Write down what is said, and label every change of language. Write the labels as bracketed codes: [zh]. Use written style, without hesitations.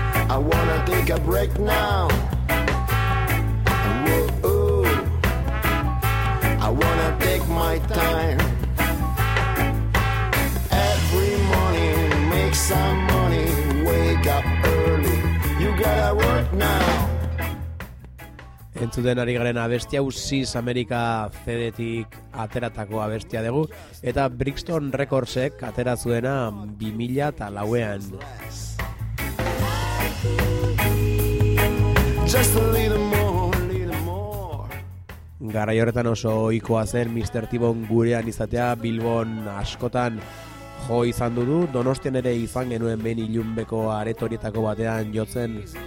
[en] I wanna take a break now. Whoa, I wanna take my time. Every morning, make some money, wake up early. You gotta work now. [eu] Entzuten ari garen abestia Usiz Amerika CD-tik ateratako abestia dugu, eta Brixton Recordsek atera zuena 2004ean. [en] Just a little more, little more. [eu] Garai horretan oso ohikoa zen Mr. T-Bone gurean izatea, Bilbon askotan jo izan dugu, Donostian ere izan genuen behin Ilunbeko aretorietako batean jotzen.